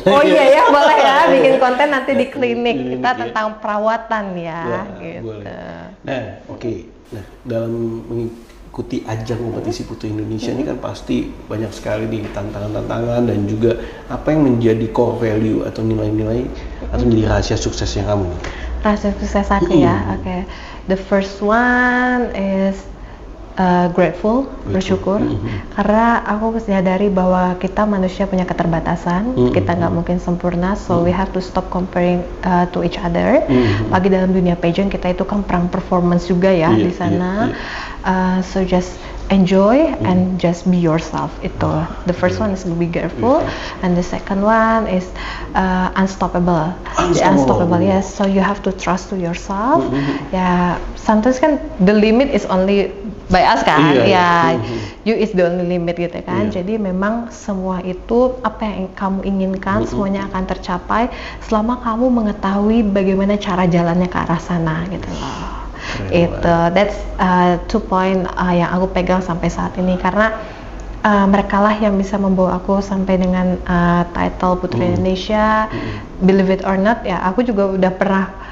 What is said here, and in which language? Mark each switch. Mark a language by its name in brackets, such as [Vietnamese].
[Indonesian] Oh iya ya, boleh ya. Bikin konten nanti di klinik. Kita tentang perawatan ya, gitu. Boleh. Nah, oke. Nah, dalam mengikuti ajang kompetisi Putri Indonesia ini kan pasti banyak sekali di tantangan-tantangan, dan juga apa yang menjadi [English] core value [Indonesian] atau nilai-nilai atau menjadi rahasia suksesnya kamu? Rahasia sukses aku ya, oke. [English] The first one is grateful, bersyukur. [Indonesian] Karena aku menyadari bahwa kita manusia punya keterbatasan. Kita nggak mungkin sempurna, [English] so we have to stop comparing to each other. [Indonesian] Lagi dalam dunia pageant, kita itu kan perang performance juga ya, di sana. [English] So just enjoy and just be yourself. Itu the first one is be grateful, and the second one is unstoppable. Unstoppable, yes. So you have to trust to yourself. Sometimes kan the limit is only by us kan. You is the only limit, gitu kan. [Indonesian] Jadi memang semua itu, apa yang kamu inginkan, semuanya akan tercapai selama kamu mengetahui bagaimana cara jalannya ke arah sana, gitu loh. Itu, [English] that's two point [Indonesian] yang aku pegang sampai saat ini, karena mereka lah yang bisa membawa aku sampai dengan title Putri Indonesia. [English] Believe it or not, [Indonesian] ya aku juga udah pernah